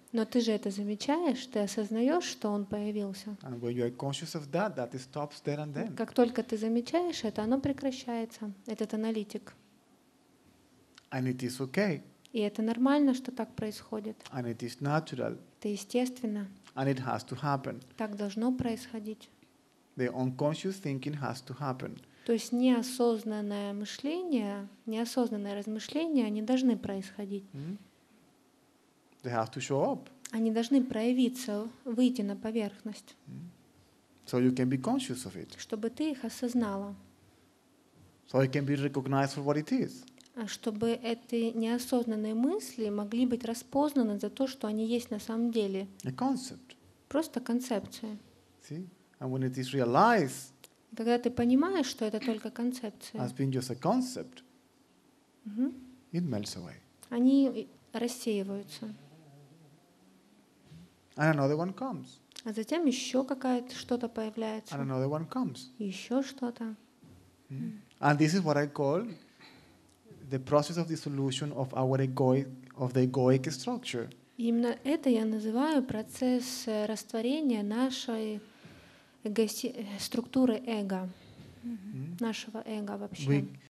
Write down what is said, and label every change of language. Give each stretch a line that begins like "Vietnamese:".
Russian: Но ты же это замечаешь, ты осознаешь, что он появился.
English: And when you are conscious of that, that it stops there and then.
Russian: Как только ты замечаешь это, оно прекращается, этот аналитик.
English: And it is okay.
Russian: И это нормально, что так происходит.
English: And it is natural.
Russian: Это естественно.
English: And it has to happen.
Russian: Так должно происходить.
English: The unconscious thinking has to happen.
Russian: То есть неосознанное мышление, неосознанное размышление, они должны происходить.
English: Mm-hmm. They have to show up.
Russian: Они должны проявиться, выйти на поверхность.
English: Mm-hmm. So you can be conscious of it.
Russian: Чтобы ты их осознала.
English: So you can be recognized for what it is.
Russian: Чтобы эти неосознанные мысли могли быть распознаны за то, что они есть на самом деле.
English: A concept.
Russian: Просто концепция.
English: See? And when it is realized,
Russian: когда ты понимаешь, что это только концепция,
English: concept,
Russian: они рассеиваются. А затем еще какое-то что-то появляется. Еще что-то.
English: And this is what I call the process of dissolution of our egoic, of the egoic structure.
Russian: Именно это я называю процесс растворения нашей структуры эго, нашего эго вообще.